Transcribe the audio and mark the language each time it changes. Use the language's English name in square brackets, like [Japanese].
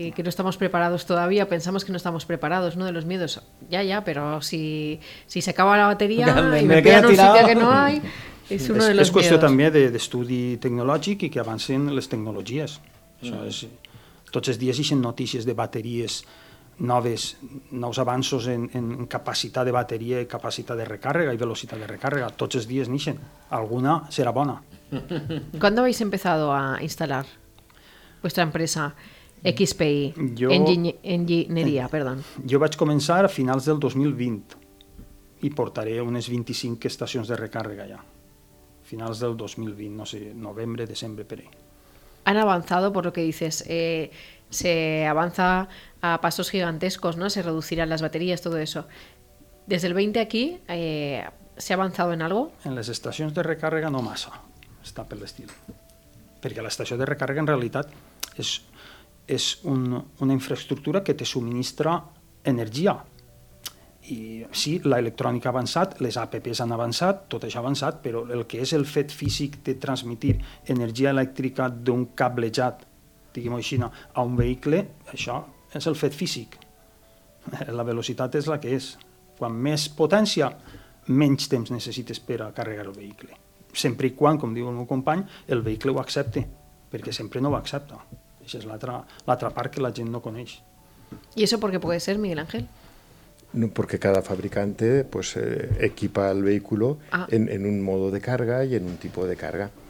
[Spanish] Y que no estamos preparados todavía, pensamos que no estamos preparados, uno de los miedos. Ya, pero si se acaba la batería me quedan un sitio que no hay, es uno de los miedos. Es cuestión también de estudio tecnológico y que avancen las tecnologías. Todos los días hay noticias de baterías... [Catalan] nous avanços en capacitat de bateria i capacitat de recàrrega i velocitat de recàrrega. Tots els dies neixen. Alguna serà bona. [Spanish] ¿Quan habéis empezado a instalar vuestra empresa XPI? [Catalan] Jo vaig començar a finals del 2020 i portaré unes 25 estacions de recàrrega ja. Finals del 2020, no sé, novembre, desembre, per ahí. [Spanish] Han avanzado por lo que dices. Se avanza a pasos gigantescos, ¿no? Se reducirán las baterías, todo eso. Desde el 20 aquí, ¿se ha avanzado en algo? En las estaciones de recarga [Catalan] no massa, [Spanish] está por el estilo. Porque la estación de recarga en realidad es una infraestructura que te suministra energía. Y sí, la electrónica ha avanzado, las apps han avanzado, todo eso ha avanzado, pero el que es el fet físico de transmitir energía eléctrica de un cablejat, [Catalan] diguem-ho així, a un vehicle, això és el fet físic. La velocitat és la que és. Quan més potència, menys temps necessites per a carregar el vehicle. Sempre i quan, com diu el meu company, el vehicle ho accepti, perquè sempre no ho accepta. Això és l'altra part que la gent no coneix. [Spanish] ¿Y eso por qué puede ser, Miguel Ángel? No, porque cada fabricante equipa el vehículo en un modo de carga y en un tipo de carga.